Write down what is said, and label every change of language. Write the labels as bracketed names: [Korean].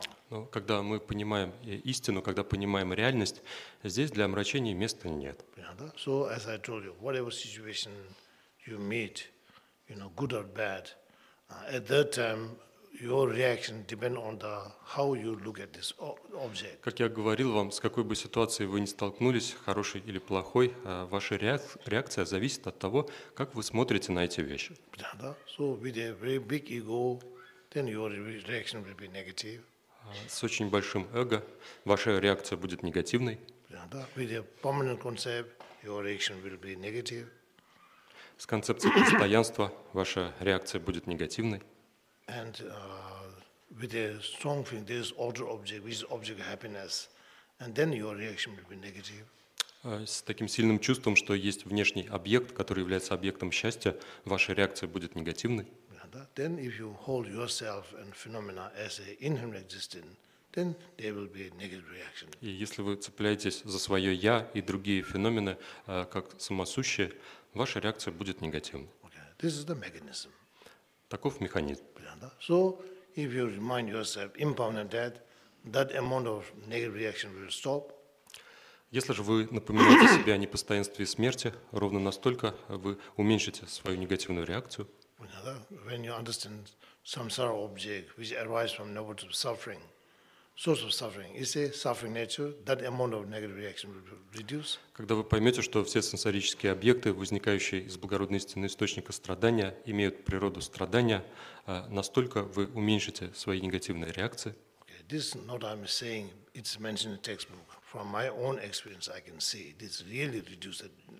[Russian] Но когда мы понимаем истину, когда понимаем реальность, здесь для омрачения места нет. [English] So as I told you, whatever situation you meet, you know, good or bad, at that time your reaction depends on the how you look at this object. [Russian] Как я говорил вам, с какой бы ситуацией вы ни столкнулись, хорошей или плохой, ваша реакция зависит от того, как вы смотрите на эти вещи. [English] So with a very big ego, then your reaction will be negative. [Russian] С очень большим эго ваша реакция будет негативной. С концепцией постоянства ваша реакция будет негативной. С таким сильным чувством, что есть внешний объект, который является объектом счастья, ваша реакция будет негативной. [English] Then if you hold yourself and phenomena as an inherent existence, then there will be a negative reaction. [Russian] И если вы цепляетесь за свое «я» и другие феномены как самосущие, ваша реакция будет негативной. [English] Okay. This is the mechanism. [Russian] Таков механизм. [English] So if you remind yourself impermanent death, that amount of negative reaction will stop. [Russian] Если же вы напоминаете себе о непостоянстве смерти, ровно настолько вы уменьшите свою негативную реакцию. [English] When you understand samsara object which arises from nature of suffering, source of suffering, is a suffering nature, that amount of negative reaction will reduce. [Russian] Когда вы поймете, что все сенсорические объекты, возникающие из благородной истины источника страдания, имеют природу страдания, настолько вы уменьшите свои негативные реакции. [English] Okay, this is not I'm saying, it's mentioned in the textbook. From my own experience, I can see this really reduces.